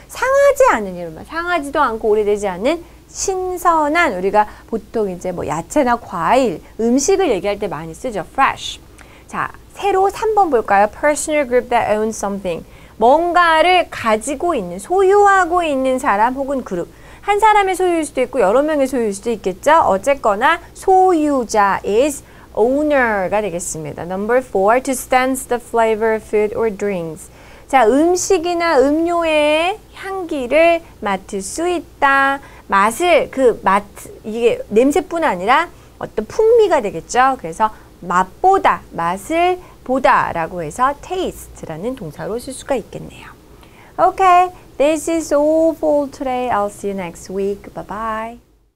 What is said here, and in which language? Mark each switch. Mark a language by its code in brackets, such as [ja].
[ko] 상하지 않은, 이런 말, 상하지도 않고 오래되지 않는 신선한, 우리가 보통 이제 뭐 야채나 과일, 음식을 얘기할 때 많이 쓰죠. [en] Fresh. [ko] 자, 새로 3번 볼까요? [en] Personal group that owns something. [ko] 뭔가를 가지고 있는, 소유하고 있는 사람 혹은 그룹. 한 사람의 소유일 수도 있고 여러 명의 소유일 수도 있겠죠. 어쨌거나 소유자 [en] is owner [ko] 가 되겠습니다. [en] Number 4, to sense the flavor of food or drinks. [ko] 자, 음식이나 음료의 향기를 맡을 수 있다. 맛을, 그 맛, 이게 냄새뿐 아니라 어떤 풍미가 되겠죠. 그래서 맛보다, 맛을 보다 라고 해서 taste라는 동사로 쓸 수가 있겠네요. [en] Okay, this is all for today. I'll see you next week. Bye-bye.